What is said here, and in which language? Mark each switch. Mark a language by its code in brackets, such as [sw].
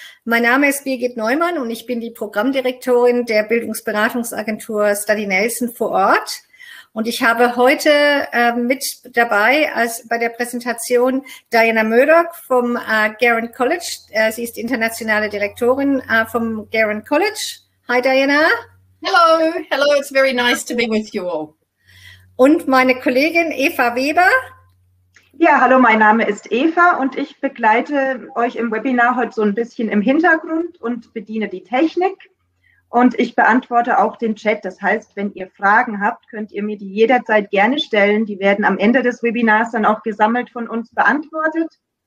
[de] Mein Name ist Birgit Neumann und ich bin die Programmdirektorin der Bildungsberatungsagentur Study Nelson vor Ort. Und ich habe heute mit dabei als bei der Präsentation Diana Murdoch vom Garand College. Sie ist internationale Direktorin vom Garand College. Hi Diana. [en] Hello, hello, it's very nice to be with you all. [de] Und meine Kollegin Eva Weber. Ja, hallo, mein Name ist Eva und ich begleite euch im Webinar heute so ein bisschen im Hintergrund und bediene die Technik und ich beantworte auch den Chat. Das heißt, wenn ihr Fragen habt, könnt ihr mir die jederzeit gerne stellen. Die werden am Ende des Webinars dann auch gesammelt von uns beantwortet.